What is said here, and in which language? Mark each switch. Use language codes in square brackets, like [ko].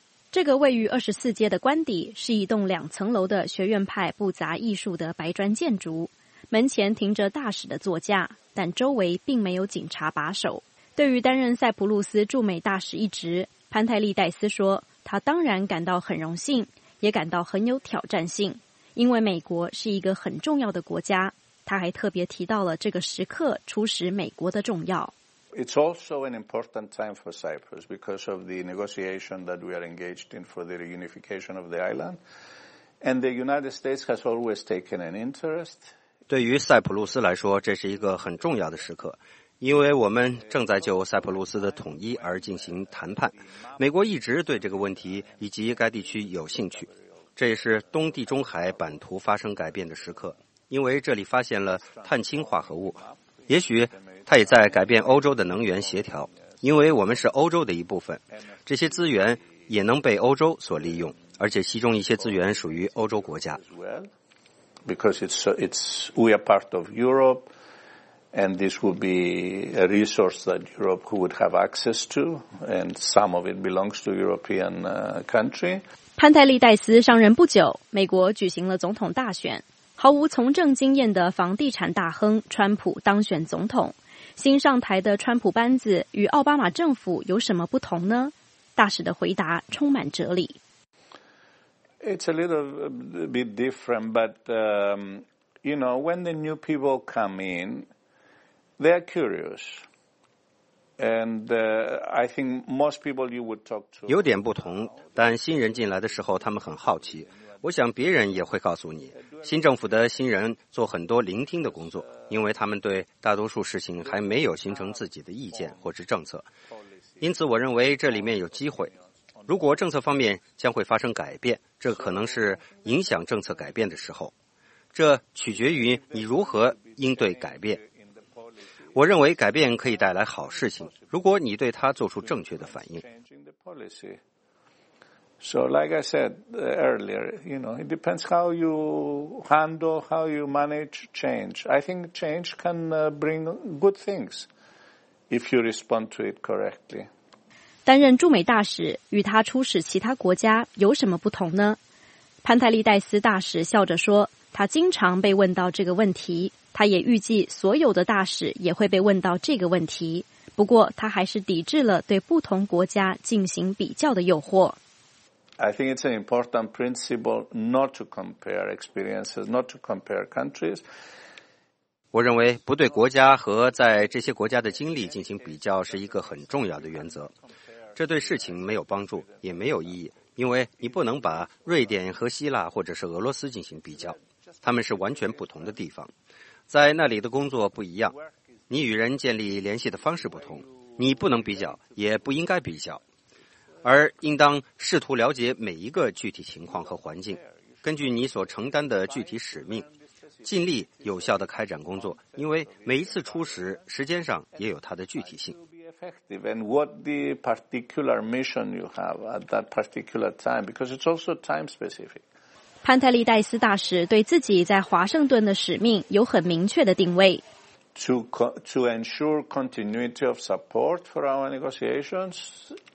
[zh] 这个位于24街的官邸是一栋两层楼的学院派不杂艺术的白砖建筑，门前停着大使的座驾，但周围并没有警察把守。对于担任塞浦路斯驻美大使一职，潘泰利戴斯说，他当然感到很荣幸，也感到很有挑战性，因为美国是一个很重要的国家。他还特别提到了这个时刻出使美国的重要。 [en] It's also an important time for Cyprus because of the negotiation that we are engaged in for the reunification of the island. And the United States has always taken an interest. [zh] 对于塞浦路斯来说，这是一个很重要的时刻，因为我们正在就塞浦路斯的统一而进行谈判。美国一直对这个问题以及该地区有兴趣。这也是东地中海版图发生改变的时刻，因为这里发现了碳氢化合物。也许它也在改变欧洲的能源协调，因为我们是欧洲的一部分，这些资源也能被欧洲所利用，而且其中一些资源属于欧洲国家。 [en] Because it's we are part of Europe, and this would be a resource that Europe would have access to, and some of it belongs to European country. [zh] 潘泰利戴斯上任不久，美国举行了总统大选，毫无从政经验的房地产大亨川普当选总统。新上台的川普班子与奥巴马政府有什么不同呢？大使的回答充满哲理。 [en] It's a little bit different, but you know, when the new people come in, they are curious, and I think most people you would talk to [zh] 有点不同，但新人进来的时候，他们很好奇。我想别人也会告诉你，新政府的新人做很多聆听的工作，因为他们对大多数事情还没有形成自己的意见或是政策。因此我认为这里面有机会，如果政策方面将会发生改变，这可能是影响政策改变的时候。这取决于你如何应对改变。我认为改变可以带来好事情，如果你对它做出正确的反应。 [en] So, like I said earlier, you know, it depends how you handle, how you manage change. I think change can bring good things if you respond to it correctly. [zh] 担任驻美大使与他出使其他国家有什么不同呢？潘泰利戴斯大使笑着说，他经常被问到这个问题，他也预计所有的大使也会被问到这个问题，不过他还是抵制了对不同国家进行比较的诱惑。 [en] I think it's an important principle not to compare experiences, not to compare countries. [zh] 我认为不对国家和在这些国家的经历进行比较是一个很重要的原则。这对事情没有帮助，也没有意义，因为你不能把瑞典和希腊或者是俄罗斯进行比较，他们是完全不同的地方，在那里的工作不一样，你与人建立联系的方式不同，你不能比较，也不应该比较。而应当试图了解每一个具体情况和环境，根据你所承担的具体使命，尽力有效地开展工作，因为每一次出使时间上也有它的具体性。 [en] And what the particular mission you have at that particular time, because it's also time specific. [zh] 潘泰利戴斯大使对自己在华盛顿的使命有很明确的定位。 [en] To ensure continuity of support for our negotiations.